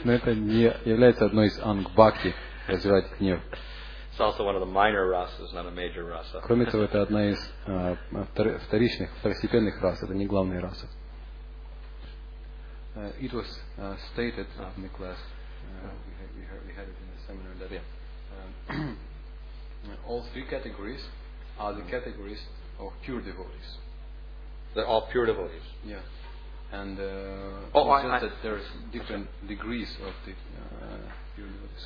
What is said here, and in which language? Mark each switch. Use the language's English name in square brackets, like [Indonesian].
[Russian] Но это не является одной из анг бхакти, развивать гнев. [English] It's also one of the minor rasas, not a major rasa. [Russian] Кроме того, это одна из вторичных, второстепенных рас, это не главная раса. [English] It was stated in the class. We had it in the seminar that all three categories are the categories of pure devotees. They're all pure devotees. Yeah. And that there's different degrees of the pure devotees.